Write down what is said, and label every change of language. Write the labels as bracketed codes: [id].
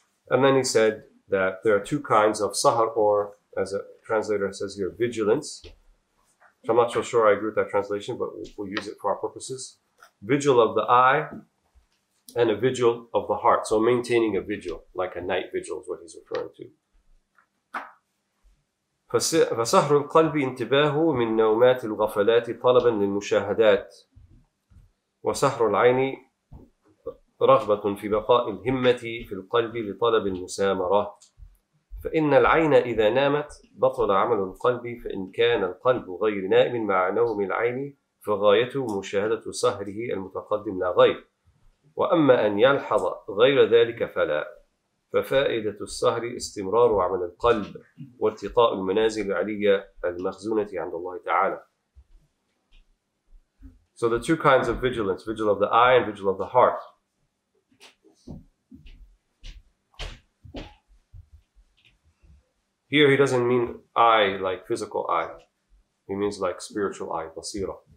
[en] And then he said that there are two kinds of sahar, or as a translator says here, vigilance. So I'm not so sure I agree with that translation, but we'll use it for our purposes. Vigil of the eye and a vigil of the heart. So maintaining a vigil, like a night vigil is what he's referring to. [ar] فَسَحْرُ الْقَلْبِ انْتِبَاهُ مِنْ نَوْمَاتِ الْغَفَلَاتِ طَلَبًا لِلْمُشَاهَدَاتِ وَسَحْرُ الْعَيْنِ رغبة في بقاء الهمة في القلب لطلب المسامرة فإن العين إذا نامت بطل عمل القلب فإن كان القلب غير نائم مع نوم العين فغايته مشاهدة سهره المتقدم لا غير وأما أن يلحظ غير ذلك فلا ففائدة السهر استمرار عمل القلب وارتطاء المنازل العلية المخزونة عند الله تعالى. [en] So the two kinds of vigilance, vigil of the eye and vigil of the heart. Here he doesn't mean eye like physical eye. He means like spiritual eye, basira.